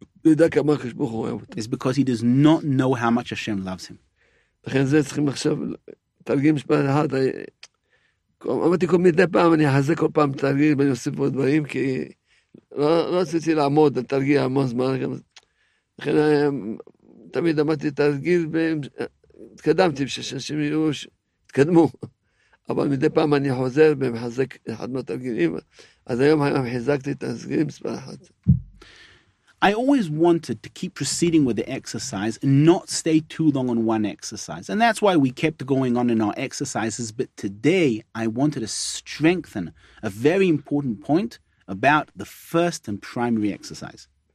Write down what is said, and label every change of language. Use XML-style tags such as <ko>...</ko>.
<en>is because he does not know how much Hashem loves him.</en> <he>אבל מדי פעם אני חוזר ומחזק אחד מהתרגילים, אז היום חיזקתי את התרגילים מספר אחת.</he> <en>I always wanted to keep proceeding with the exercise and not stay too long on one exercise. And that's why we kept going on in our exercises. But today, I wanted to strengthen a very important point about the first and primary exercise.</en>